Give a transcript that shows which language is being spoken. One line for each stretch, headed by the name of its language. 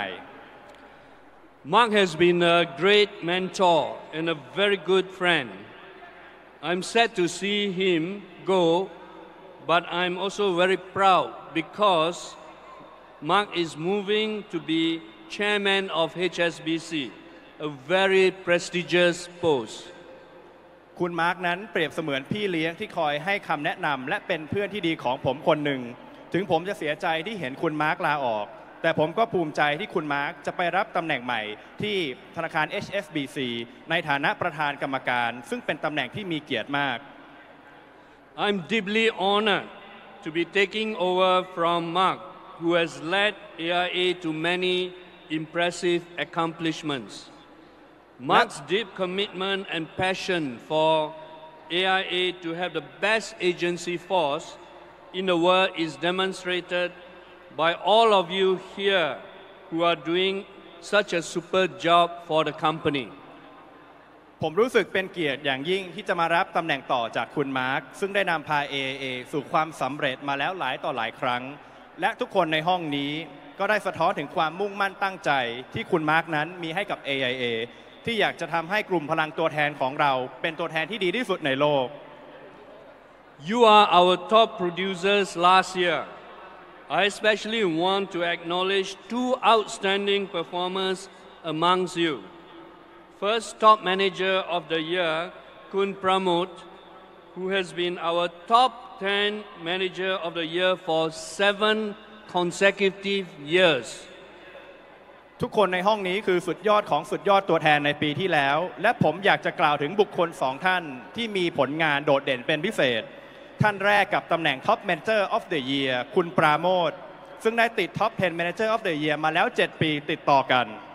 English: Mark has been a great mentor and a very good friend. I'm sad to see him go, but I'm also very proud because Mark is moving to be chairman of HSBC, a very prestigious post.
Thai: คุณมาร์กนั้นเปรียบเสมือนพี่เลี้ยงที่คอยให้คำแนะนำและเป็นเพื่อนที่ดีของผมคนหนึ่งถึงผมจะเสียใจที่เห็นคุณมาร์กลาออกแต่ผมก็ภูมิใจที่คุณมาร์กจะไปรับตำแหน่งใหม่ที่ธนาคาร HSBC ในฐานะประธานกรรมการซึ่งเป็นตำแหน่งที่มีเกียรติมาก
English: I'm deeply honored to be taking over from Mark who has led AIA to many impressive accomplishments. Mark's deep commitment and passion for AIA to have the best agency force in the world is demonstrated by all of you here who are doing such a super job for the company.
Thai: ผมรู้สึกเป็นเกียรติอย่างยิ่งที่จะมารับตำแหน่งต่อจากคุณมาร์คซึ่งได้นำพา AIA สู่ความสำเร็จมาแล้วหลายต่อหลายครั้งและทุกคนในห้องนี้ก็ได้สะท้อนถึงความมุ่งมั่นตั้งใจที่คุณมาร์คนั้นมีให้กับ AIAที่อยากจะทำให้กลุ่มพลังตัวแทนของเราเป็นตัวแทนที่ดีที่สุดในโลก
English: You are our top producers last year. I especially want to acknowledge two outstanding performers amongst you. First, top manager of the year, Khun Pramod, who has been our top 10 manager of the year for 7 consecutive years.
Thai: ทุกคนในห้องนี้คือสุดยอดของสุดยอดตัวแทนในปีที่แล้วและผมอยากจะกล่าวถึงบุคคล2ท่านที่มีผลงานโดดเด่นเป็นพิเศษท่านแรกกับตำแหน่ง Top Manager of the Year คุณปราโมทซึ่งได้ติด Top 10 Manager of the Year มาแล้ว7ปีติดต่อกัน